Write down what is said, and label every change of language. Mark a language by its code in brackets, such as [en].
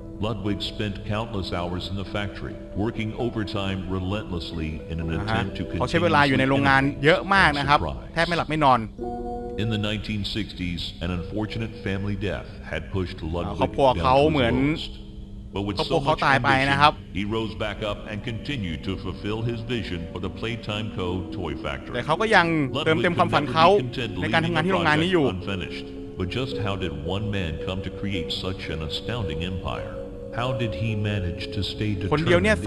[en] Ludwig spent countless hours in the factory, working overtime relentlessly in an attempt to continue. [th] เขาใช้เวลาอยู่ในโรงงานเยอะมากนะครับแทบไม่หลับไม่นอน [en] In the 1960s, an unfortunate family death had pushed Ludwig down to his lowest. [th] ครอบครัวเขาเหมือนครอบครัวเขาตายไปนะครับ [en] He rose back up and continued to fulfill his vision for the Playtime Co. toy factory. [th] แต่เขาก็ยังเติมเต็มความฝันเขาในการทำงานที่โรงงานนี้อยู่ [en] But just how did one man come to create such an astounding empire? How did he manage to stay determined